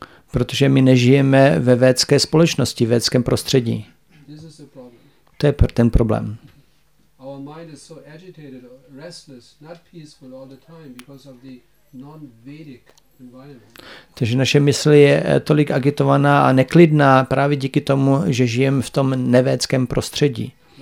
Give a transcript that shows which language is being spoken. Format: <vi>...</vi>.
<cs>Protože my nežijeme ve védské společnosti, v védském prostředí. To je ten problém.</cs> <en>Our mind is so agitated, restless, not peaceful all the time because of the non-Vedic.</en> <cs>Takže naše mysl je tolik agitovaná a neklidná právě díky tomu, že žijeme v tom nevédském prostředí.</cs>